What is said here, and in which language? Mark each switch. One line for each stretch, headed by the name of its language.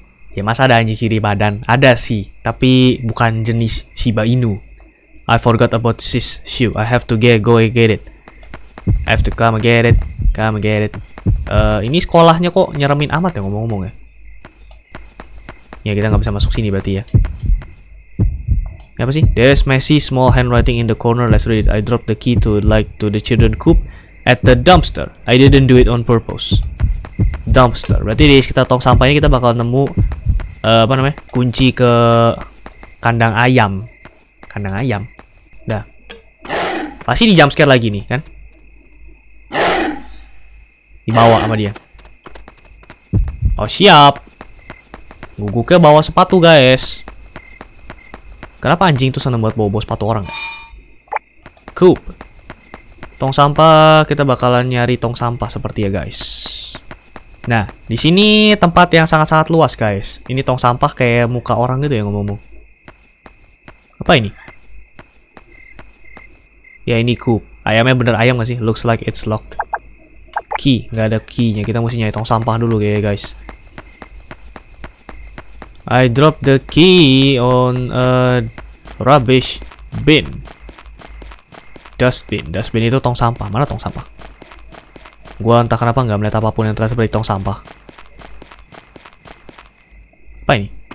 Indonesian: Ya masa ada anjing kiri badan? Ada sih, tapi bukan jenis Shiba Inu.
English: I forgot about this shoe. I have to get it. I have to come and get it. Come and get it.
Indonesian: Ini sekolahnya kok nyeremin amat ya ngomong-ngomong ya. Ya kita nggak bisa masuk sini berarti ya. Apa sih?
English: There is messy small handwriting in the corner. Let's read it. I dropped the key to the children coop at the dumpster. I didn't do it on purpose. Dumpster.
Indonesian: Berarti di sekitar tong sampahnya kita bakal nemu apa namanya? Kunci ke kandang ayam. Kandang ayam. Dah. Pasti di jump scare lagi nih kan? Dibawa sama dia. Oh siap. Guguknya bawa sepatu guys. Kenapa anjing itu seneng buat bawa-bawa sepatu orang? Coop. Tong sampah, kita bakalan nyari tong sampah seperti ya guys. Nah di sini tempat yang sangat-sangat luas guys. Ini tong sampah kayak muka orang gitu ya ngomong-ngomong. Apa ini? Ya ini coop. Ayamnya bener ayam gak sih?
English: Looks like it's locked.
Indonesian: Key, gak ada keynya. Kita mesti nyari tong sampah dulu ya guys.
English: I dropped the key on a rubbish bin.
Indonesian: Dustbin. Dustbin itu tong sampah. Mana tong sampah? Gua entah kenapa nggak melihat apapun yang terasa dari tong sampah. Apa ini?